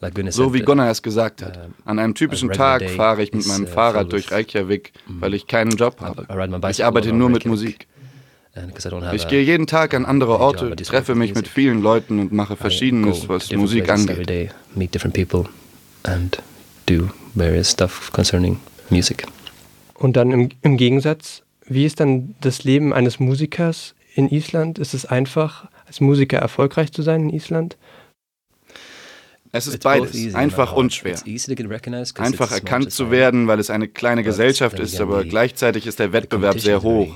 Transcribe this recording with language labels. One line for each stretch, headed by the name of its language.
German: So wie Gunnar es gesagt hat, an einem typischen Tag fahre ich mit meinem Fahrrad durch Reykjavik, weil ich keinen Job habe. Ich arbeite nur mit Musik. Ich gehe jeden Tag an andere Orte, treffe mich mit vielen Leuten und mache Verschiedenes, was Musik angeht.
English: Meet different people and do various stuff concerning music.
German: Und dann im Gegensatz, wie ist dann das Leben eines Musikers in Island? Ist es einfach, als Musiker erfolgreich zu sein in Island? Es ist beides, einfach und schwer. Einfach erkannt zu werden, weil es eine kleine Gesellschaft ist, aber gleichzeitig ist der Wettbewerb sehr hoch.